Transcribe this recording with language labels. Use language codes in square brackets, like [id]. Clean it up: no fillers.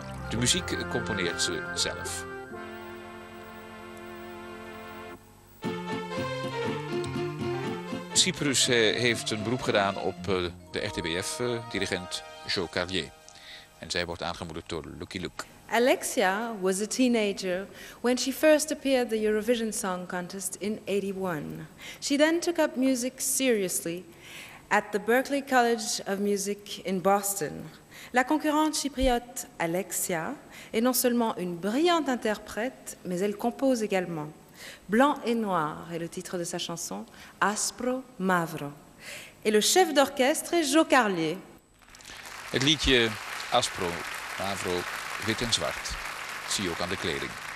[nl] De muziek componeert ze zelf. Cyprus heeft een beroep gedaan op de RTBF-dirigent Jo Carlier. En zij wordt aangemoedigd door Lucky Luke. [en] Alexia was a teenager when she first appeared at the Eurovision Song Contest in 81. She then took up music seriously at the Berklee College of Music in Boston. [fr] La concurrente chypriote Alexia est non seulement une brillante interprète, mais elle compose également. Blanc et noir est le titre de sa chanson, Aspro Mavro. Et le chef d'orchestre est Joe Carlier. [nl] Het liedje Aspro Mavro, wit en zwart, zie je ook aan de kleding.